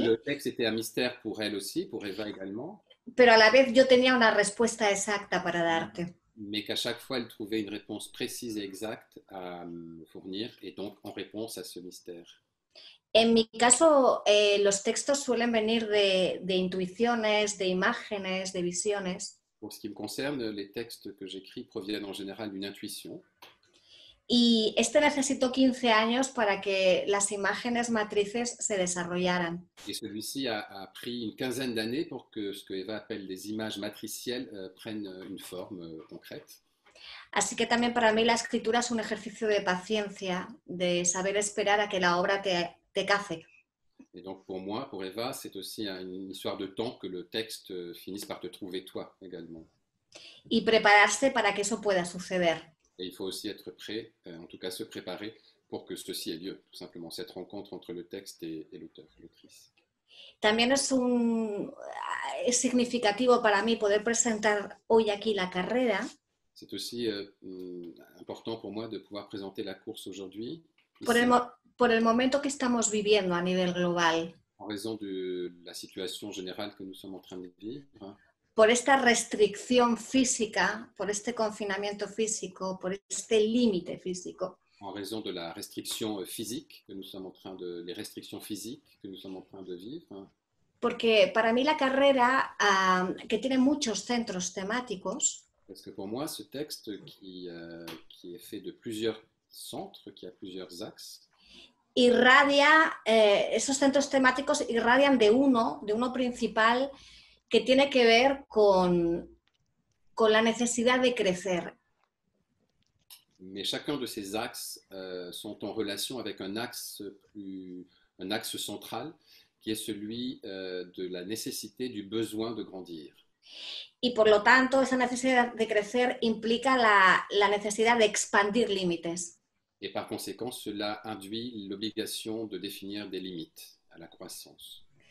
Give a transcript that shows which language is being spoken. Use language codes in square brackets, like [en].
[fr] Le texte était un mystère pour elle aussi, pour Eva également. [es] Pero a la vez yo tenía una respuesta exacta para darte. [fr] Mais qu'à chaque fois elle trouvait une réponse précise et exacte à fournir et donc en réponse à ce mystère. [es] En mi caso, los textos suelen venir de intuiciones, de imágenes, de visiones. [fr] Pour ce qui me concerne, les textes que j'écris proviennent en général d'une intuition. [es] Y este necesitó 15 años para que las imágenes matrices se desarrollaran. [fr] Y celui-ci a pris une quinzaine d'années pour que ce que Eva appelle des images matricielles prennent une forme concrète. [es] Así que también para mí la escritura es un ejercicio de paciencia, de saber esperar a que la obra te cace. [fr] Et donc pour moi, pour Eva, c'est aussi une histoire de temps que le texte finisse par te trouver toi également. [es] Y prepararse para que eso pueda suceder. [fr] Et il faut aussi être prêt, en tout cas se préparer, pour que ceci ait lieu, tout simplement, cette rencontre entre le texte et l'auteur, l'autrice. [es] También es significativo para mí poder presentar hoy aquí la carrera. [fr] C'est aussi important pour moi de pouvoir présenter la course aujourd'hui. [es] Por el momento que estamos viviendo a nivel global. [fr] En raison de la situation générale que nous sommes en train de vivre. [es] Por esta restricción física, por este confinamiento físico, por este límite físico. [fr] En raison de la restricción física que nous sommes en train de les restrictions physiques que nous sommes en train de vivre. [es] Porque para mí la carrera que tiene muchos centros temáticos. [fr] Parce que pour moi ce texte qui est fait de plusieurs centres, qui a plusieurs axes. [es] Irradia esos centros temáticos irradian de uno principal. Que tiene que ver con con la necesidad de crecer. [fr] Mais chacun de ces axes sont en relation avec un axe central qui est celui de la nécessité, du besoin de grandir. [es] Y por lo tanto, esa necesidad de crecer implica la necesidad de expandir límites. [fr] Et par conséquent, cela induit l'obligation de définir des limites à la croissance.